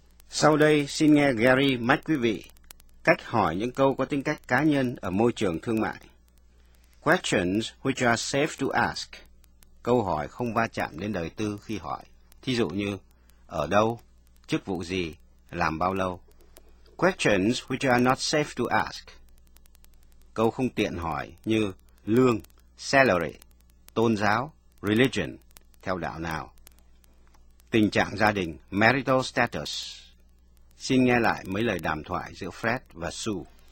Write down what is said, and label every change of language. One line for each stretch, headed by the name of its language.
Vietnamese: Sau đây xin nghe Gary mách quý vị cách hỏi những câu có tính cách cá nhân ở môi trường thương mại.
English: Questions which are safe to ask.
Vietnamese: Câu hỏi không va chạm đến đời tư khi hỏi. Thí dụ như, ở đâu, chức vụ gì, làm bao lâu.
English: Questions which are not safe to ask.
Vietnamese: Câu không tiện hỏi như, lương, salary, tôn giáo, religion, theo đạo nào. Tình trạng gia đình, marital status. Xin nghe lại mấy lời đàm thoại giữa Fred và Sue.